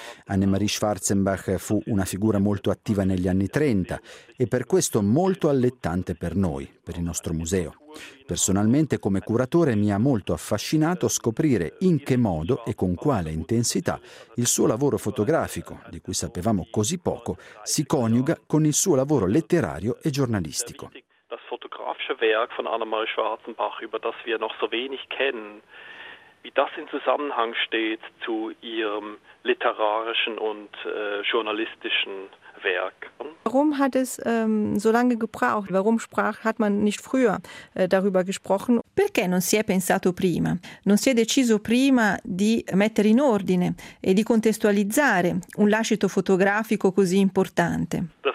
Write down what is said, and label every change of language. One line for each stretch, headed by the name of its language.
Italian: Anne-Marie Schwarzenbach fu una figura molto attiva negli anni 30 e per questo molto allettante per noi, per il nostro museo. Personalmente, come curatore, mi ha molto affascinato scoprire in che modo e con quale intensità il suo lavoro fotografico, di cui sapevamo così poco, si coniuga con il suo lavoro letterario e giornalistico.
German: Werk von Anne-Marie Schwarzenbach, über das wir noch so wenig kennen, wie das in Zusammenhang steht zu ihrem literarischen und journalistischen Werk. Warum hat es so lange gebraucht? Warum hat man nicht früher darüber gesprochen?
Italian: Perché non si è pensato prima? Non si è deciso prima di mettere in ordine e di contestualizzare un lascito fotografico così importante?